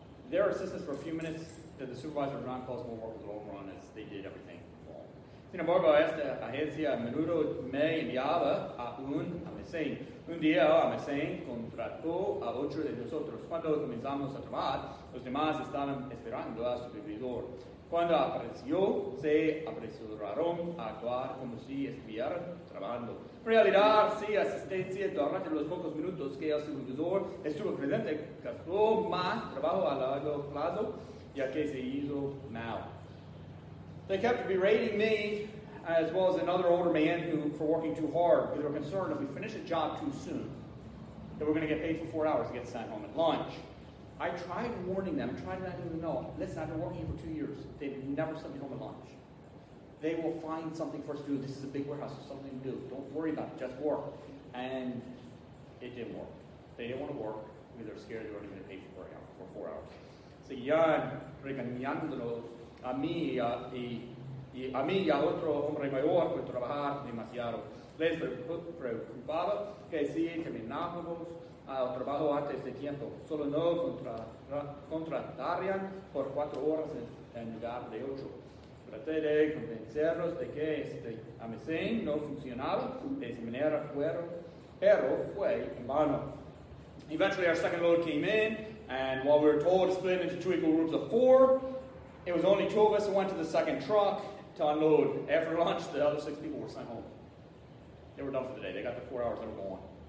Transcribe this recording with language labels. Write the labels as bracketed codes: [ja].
[en] Their assistance for a few minutes that the supervisor did not cause more work in the long run as they did everything wrong. [es] Sin embargo, esta agencia a menudo me enviaba a un almacén. Un día, almacén contrató a 8 de nosotros. Cuando comenzamos a trabajar, los demás estaban esperando a su supervisor. Cuando apareció, se apresuraron a actuar como si estuviera trabajando. En realidad, sí, asistencia durante los pocos minutos que el supervisor estuvo presente causó más trabajo a largo plazo, ya que se hizo mal. [en] They kept berating me, as well as another older man who, for working too hard, because they were concerned if we finish a job too soon, that we're going to get paid for 4 hours to get sent home at lunch. I tried warning them, tried to let them know, listen, I've been working here for 2 years. They've never sent me home at lunch. They will find something for us to do. This is a big warehouse. There's something to do. Don't worry about it. Just work. And it didn't work. They didn't want to work because they're scared they weren't going to pay for 4 hours. So, yeah, [es] regañándolos a mí y a mí y a otro hombre mayor por trabajar demasiado. Les preocupaba que si terminábamos el trabajo antes de tiempo, solo no contratarían por 4 horas en lugar de 8. Traté de convencerlos de que este almacén no funcionaba de esa manera, pero fue en vano. [en] Eventually our second load came in, and while we were told to split into 2 equal groups of 4, it was only 2 of us who went to the second truck to unload. After lunch, the other 6 people were sent home. They were done for the day. They got the 4 hours and were gone.